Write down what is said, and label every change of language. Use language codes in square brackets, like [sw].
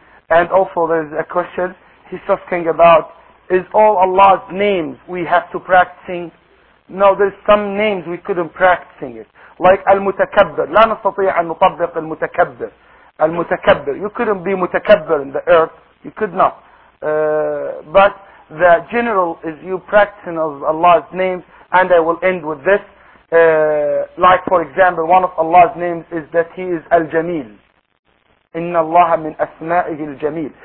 [en] And also, there's a question. He's asking about: is all Allah's names we have to practicing? No, there's some names we couldn't practicing it. [ar] Like المتكبر. لا نستطيع أن نطبق المتكبر. المتكبر. [en] You couldn't be متكبر in the earth. You could not. But the general is you practicing of Allah's names. And I will end with this. Like for example, one of Allah's names is that He is الجميل. [ar] إن الله من أسمائه الجميل.